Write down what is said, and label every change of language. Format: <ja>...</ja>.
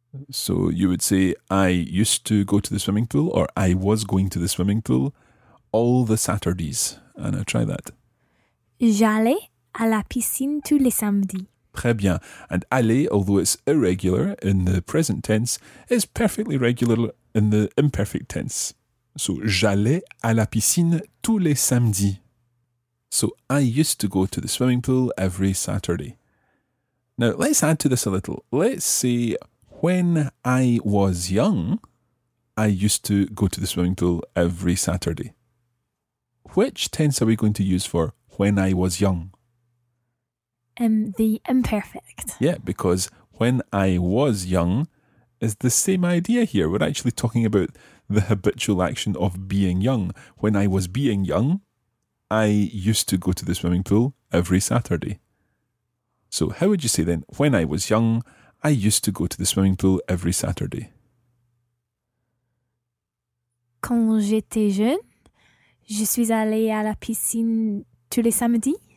<en>So you would say, I used to go to the swimming pool, or I was going to the swimming pool all the Saturdays. Anna, try that.</en> <fr>J'allais à la piscine tous les samedis. Très bien.</fr> <en>And aller, although it's irregular in the present tense, is perfectly regular in the imperfect tense.</en> <fr>So, j'allais à la piscine tous les samedis.</fr> <en>So, I used to go to the swimming pool every Saturday. Now, let's add to this a little. Let's say, when I was young, I used to go to the swimming pool every Saturday. Which tense are we going to use for when I was young? The imperfect. Yeah, because when I was young is the same idea here. We're actually talking about the habitual action of being young. When I was being young, I used to go to the swimming pool every Saturday. So how would you say then, when I was young, I used to go to the swimming pool every Saturday?</en> <fr>Quand j'étais jeune, je suis allé à la piscine tous les samedis.</fr>